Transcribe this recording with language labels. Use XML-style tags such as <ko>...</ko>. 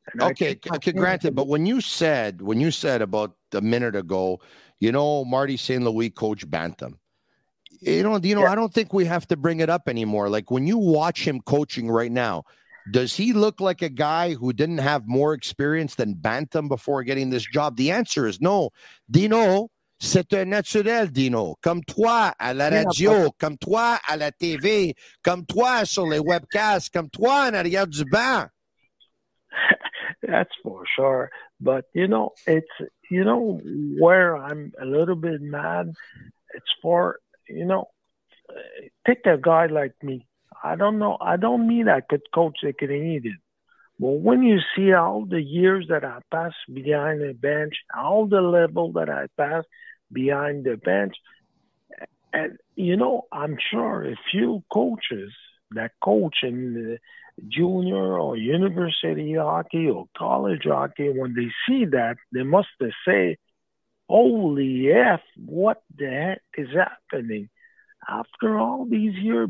<en>And okay, granted, but when you said about a minute ago, you know, Marty St. Louis coached Bantam. I don't think we have to bring it up anymore. Like, when you watch him coaching right now, does he look like a guy who didn't have more experience than Bantam before getting this job? The answer is no.</en> <fr>Dino, c'est un naturel, Dino. Comme toi à la radio, comme toi à la TV, comme toi sur les webcasts, comme toi en arrière du banc.</fr> <en>That's for sure. But, you know, it's, you know, where I'm a little bit mad, it's for, you know, pick a guy like me. I don't know. I don't mean I could coach the Canadian. But when you see all the years that I passed behind the bench, all the level that I passed behind the bench, and, you know, I'm sure a few coaches that coach in the junior or university hockey or college hockey, when they see that, they must say, holy F, what the heck is happening after all these years?</en>